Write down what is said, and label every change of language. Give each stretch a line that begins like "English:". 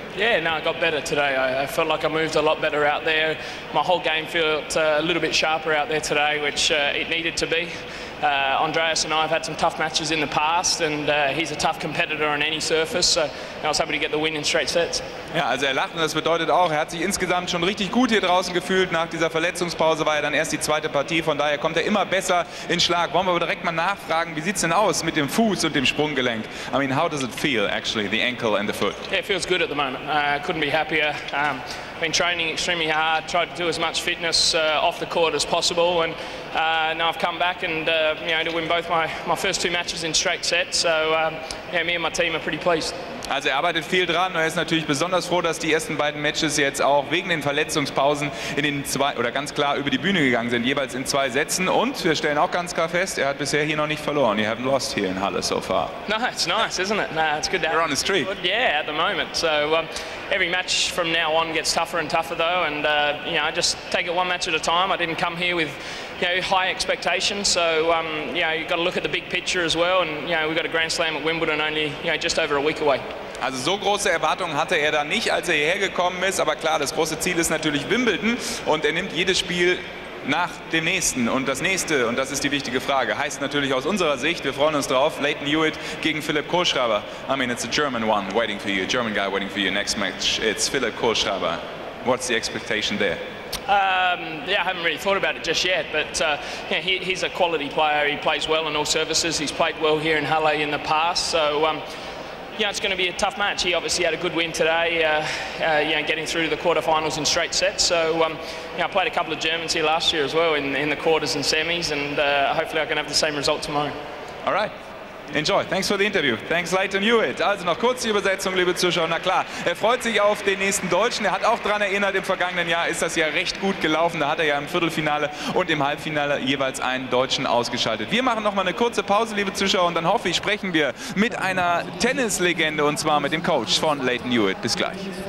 English: Yeah, no, I got better today. I felt like I moved a lot better out there. My whole game felt a little bit sharper out there today, which it needed to be. Andreas and I have had some tough matches in the past and he's a tough competitor on any surface, so I was happy to get the win in straight sets.
German: Ja, also er lacht und das bedeutet auch, er hat sich insgesamt schon richtig gut hier draußen gefühlt. Nach dieser Verletzungspause war er dann erst die zweite Partie, von daher kommt er immer besser in Schlag. Wollen wir aber direkt mal nachfragen, wie sieht es denn aus mit dem Fuß und dem Sprunggelenk?
English: I mean, how does it feel actually, the ankle and the foot? Yeah, it feels good at the moment. Couldn't be happier. Been training extremely hard, tried to do as much fitness off the court as possible, and now I've come back and to win both my first two matches in straight sets. So yeah, me and my team are pretty pleased.
German: Also er arbeitet viel dran und er ist natürlich besonders froh, dass die ersten beiden Matches jetzt auch wegen den Verletzungspausen in den zwei oder ganz klar über die Bühne gegangen sind, jeweils in zwei Sätzen. Und wir stellen auch ganz klar fest, er hat bisher hier noch nicht verloren.
English: You haven't lost here in Halle so far. No, it's nice, isn't it? No, it's good to have. You're on a streak. Yeah, at the moment. So every match from now on gets tougher and tougher though. And I just take it one match at a time. I didn't come here with high expectations, so you've got to look at the big picture as well, and we've got a Grand Slam at Wimbledon only just over a week away.
German: Also so große Erwartungen hatte er da nicht, als er hierher gekommen ist, aber klar, das große Ziel ist natürlich Wimbledon und er nimmt jedes Spiel nach dem nächsten und das nächste, und das ist die wichtige Frage, heißt natürlich aus unserer Sicht, wir freuen uns drauf, Leighton Hewitt gegen Philipp Kohlschreiber.
English: I mean, it's a German one waiting for you, German guy waiting for you, next match, it's Philipp Kohlschreiber. What's the expectation there? I haven't really thought about it just yet, but he's a quality player. He plays well on all services. He's played well here in Halle in the past, so it's going to be a tough match. He obviously had a good win today, getting through to the quarterfinals in straight sets. So I played a couple of Germans here last year as well in the quarters and semis, and hopefully I can have the same result tomorrow. All right. Enjoy. Thanks for the interview. Thanks, Leighton Hewitt.
German: Also noch kurz die Übersetzung, liebe Zuschauer. Na klar, er freut sich auf den nächsten Deutschen. Er hat auch daran erinnert, im vergangenen Jahr ist das ja recht gut gelaufen. Da hat er ja im Viertelfinale und im Halbfinale jeweils einen Deutschen ausgeschaltet. Wir machen noch mal eine kurze Pause, liebe Zuschauer. Und dann hoffe ich, sprechen wir mit einer Tennislegende, und zwar mit dem Coach von Leighton Hewitt. Bis gleich.